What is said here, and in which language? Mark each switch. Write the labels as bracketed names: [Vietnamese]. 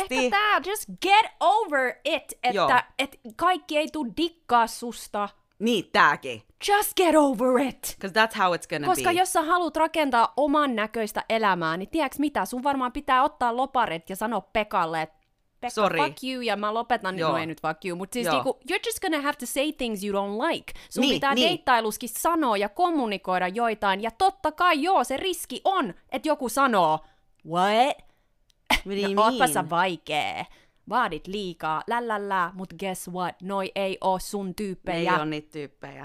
[Finnish] Mut ehkä tää, [English] just get over it, [Finnish] että et kaikki ei tule dikkaa susta. Niin, tääkin. [English] Just get over it. Because that's how it's gonna [Finnish] Koska [English] be. [Finnish] Koska jos sä haluat rakentaa oman näköistä elämää, niin tiedäks mitä, sun varmaan pitää ottaa loparit ja sanoa Pekalle, että Pekka, [English] sorry. Fuck you, [Finnish] ja mä lopetan, niin ei nyt [English] fuck you. [Finnish] Mutta siis niinku, [English] you're just gonna have to say things you don't like. [Finnish] Sun niin, pitää deittailuskin sanoa ja kommunikoida joitain, ja totta kai joo, se riski on, että joku sanoo, [English] what? What do you mean? [Finnish] Ootpa sä vaikee. Vaadit liikaa, lällällä, mut [English] guess what, [Finnish] noi ei oo sun tyyppejä. Ne ei oo niitä tyyppejä.